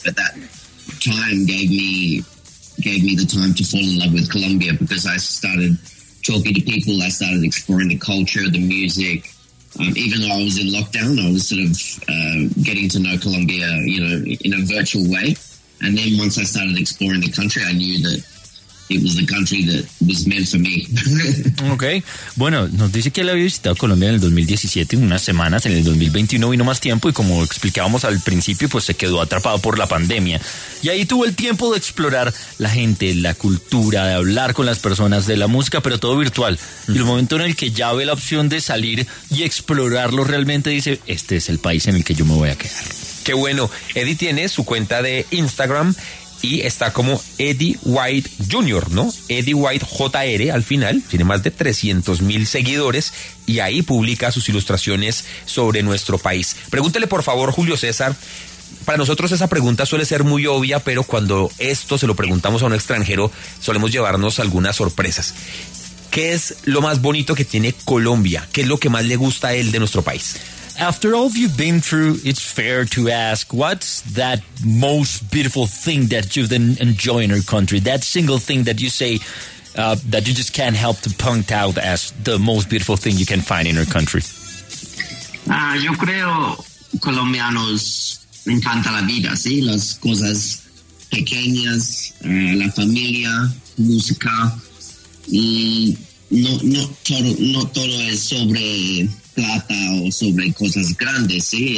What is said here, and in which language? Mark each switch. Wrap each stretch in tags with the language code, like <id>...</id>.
<en>But that time gave me the time to fall in love with Colombia, because I started talking to people, I started exploring the culture, the music. Even though I was in lockdown, I was sort of getting to know Colombia, you know, in a virtual way. And then once I started exploring the country, I knew that it was the country that was meant for me. Okay.</en> <es>Bueno, nos dice que él había visitado Colombia en el 2017, en unas semanas, en el 2021 vino más tiempo, y como explicábamos al principio, pues se quedó atrapado por la pandemia. Y ahí tuvo el tiempo de explorar la gente, la cultura, de hablar con las personas, de la música, pero todo virtual. Y el momento en el que ya ve la opción de salir y explorarlo realmente, dice, este es el país en el que yo me voy a quedar. Qué bueno. Eddie tiene su cuenta de Instagram y está como Eddie White Jr., ¿no? Eddie White JR al final. Tiene más de 300,000 seguidores y ahí publica sus ilustraciones sobre nuestro país. Pregúntele, por favor, Julio César. Para nosotros esa pregunta suele ser muy obvia, pero cuando esto se lo preguntamos a un extranjero, solemos llevarnos algunas sorpresas. ¿Qué es lo más bonito que tiene Colombia? ¿Qué es lo que más le gusta a él de nuestro país?</es> <en>After all you've been through, it's fair to ask, what's that most beautiful thing that you've enjoyed in our country? That single thing that you say, that you just can't help to point out as the most beautiful thing you can find in our country?</en> <es>Yo creo colombianos me encanta la vida, ¿sí? Las cosas pequeñas, la familia, música, y no todo es sobre plata o sobre cosas grandes, ¿sí?</es>